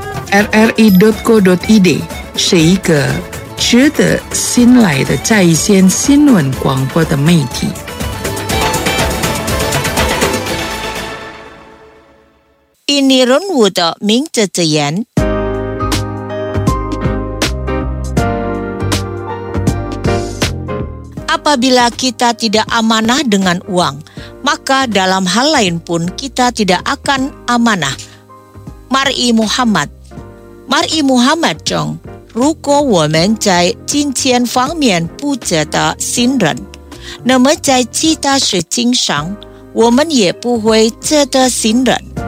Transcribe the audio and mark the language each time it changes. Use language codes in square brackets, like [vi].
[zh] RRI.co.id 是一个值得信赖的在线新闻广播的媒体。你人物的名字之言， [ms] apabila kita tidak amanah dengan uang, maka dalam hal lain pun kita tidak akan amanah. Mar'i Muhammad. [zh] Mar'i Muhammad 中，如果我们在金钱方面不值得信任，那么在其他事情上，我们也不会值得信任。